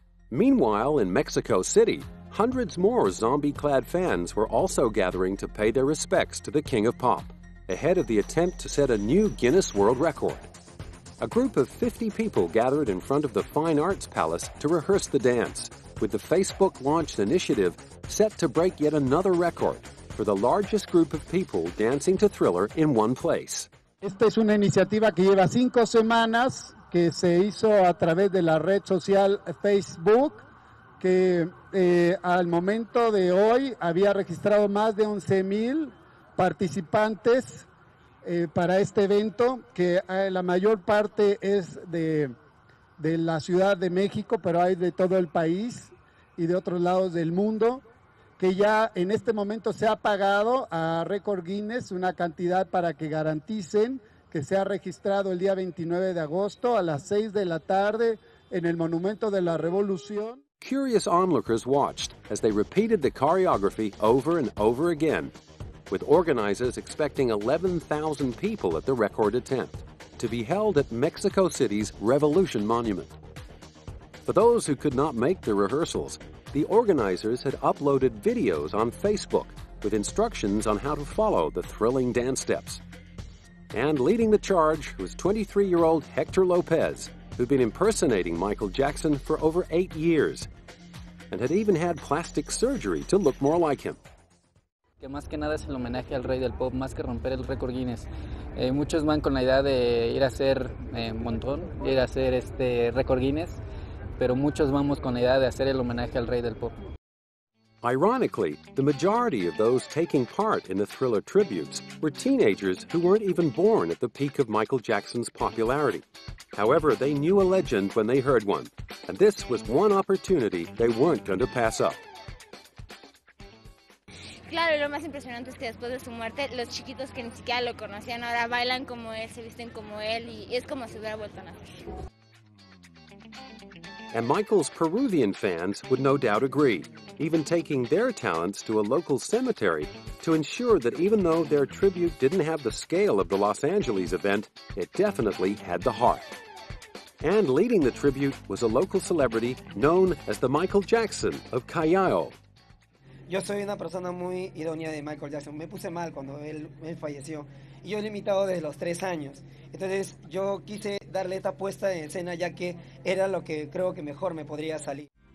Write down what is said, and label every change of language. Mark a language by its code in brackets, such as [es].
[en] Meanwhile, in Mexico City, hundreds more zombie-clad fans were also gathering to pay their respects to the King of Pop, ahead of the attempt to set a new Guinness World Record. A group of 50 people gathered in front of the Fine Arts Palace to rehearse the dance, with the Facebook-launched initiative set to break yet another record for the largest group of people dancing to Thriller in one place. [es] Esta es una iniciativa que lleva 5 semanas, que se hizo a través de la red social Facebook, que al momento de hoy había registrado más de 11,000 participantes para este evento, que la mayor parte es de la Ciudad de México, pero hay de todo el país y de otros lados del mundo, que ya en este momento se ha pagado a Record Guinness una cantidad para que garanticen que sea registrado el día 29 de agosto a las 6 de la tarde en el Monumento de la Revolución. [en] Curious onlookers watched as they repeated the choreography over and over again, with organizers expecting 11,000 people at the record attempt, to be held at Mexico City's Revolution Monument. For those who could not make the rehearsals, the organizers had uploaded videos on Facebook with instructions on how to follow the thrilling dance steps. And leading the charge was 23-year-old Hector Lopez, who'd been impersonating Michael Jackson for over 8 years and had even had plastic surgery to look more like him. [es] Que más que nada es el homenaje al rey del pop, más que romper el récord Guinness. Muchos van con la idea de ir a hacer montón, ir a hacer este récord Guinness, pero muchos vamos con la idea de hacer el homenaje al rey del pop. [en] Ironically, the majority of those taking part in the Thriller tributes were teenagers who weren't even born at the peak of Michael Jackson's popularity. However, they knew a legend when they heard one, and this was one opportunity they weren't going to pass up. [es] Claro, lo más impresionante es que después de su muerte, los chiquitos que ni siquiera lo conocían ahora bailan como él, se visten como él, y es como si hubiera vuelto a nacer. [en] And Michael's Peruvian fans would no doubt agree, even taking their talents to a local cemetery to ensure that even though their tribute didn't have the scale of the Los Angeles event, it definitely had the heart. And leading the tribute was a local celebrity known as the Michael Jackson of Callao. [es] Yo soy una persona muy idónea de Michael Jackson. Me puse mal cuando él falleció. Y yo he limitado desde los 3 años. Entonces, yo quise darle esta puesta en escena ya que era lo que creo que mejor me podría salir.